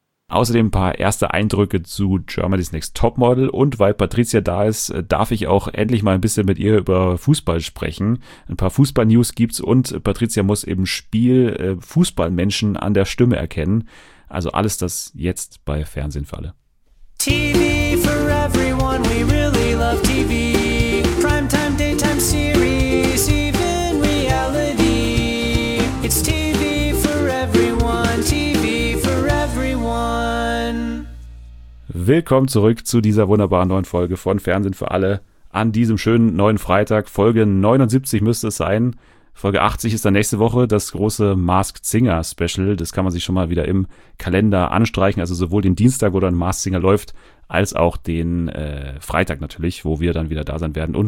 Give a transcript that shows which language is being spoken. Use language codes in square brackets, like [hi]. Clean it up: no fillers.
[de] Außerdem ein paar erste Eindrücke zu Germany's Next Topmodel und weil Patricia da ist, darf ich auch endlich mal ein bisschen mit ihr über Fußball sprechen. Ein paar Fußball-News gibt's und Patricia muss im Spiel Fußballmenschen an der Stimme erkennen. Also alles das jetzt bei Fernsehen für alle. [en] TV for everyone, we really love TV. Primetime, daytime series, even reality. It's TV for everyone, TV for everyone. [de] Willkommen zurück zu dieser wunderbaren neuen Folge von Fernsehen für alle. An diesem schönen neuen Freitag, Folge 79 müsste es sein. Folge 80 ist dann nächste Woche das große Masked Singer Special. Das kann man sich schon mal wieder im Kalender anstreichen. Also sowohl den Dienstag, wo dann Masked Singer läuft, als auch den Freitag natürlich, wo wir dann wieder da sein werden.